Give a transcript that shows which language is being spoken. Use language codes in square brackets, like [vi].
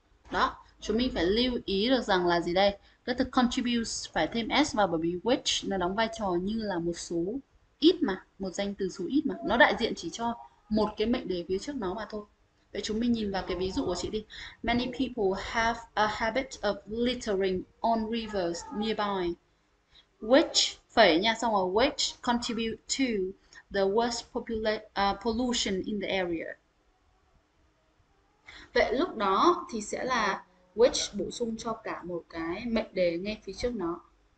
[vi] Đó, chúng mình phải lưu ý được rằng là gì đây? Cái từ contributes phải thêm s vào bởi vì which nó đóng vai trò như là một số ít mà, một danh từ số ít mà, nó đại diện chỉ cho một cái mệnh đề phía trước nó mà thôi. Vậy chúng mình nhìn vào cái ví dụ của chị đi. [en] Many people have a habit of littering on rivers nearby. Which [vi] phẩy nha, xong rồi [en] which contribute to the worst pollution in the area. [vi] Vậy lúc đó thì sẽ là which bổ sung cho cả một cái mệnh đề ngay phía trước nó.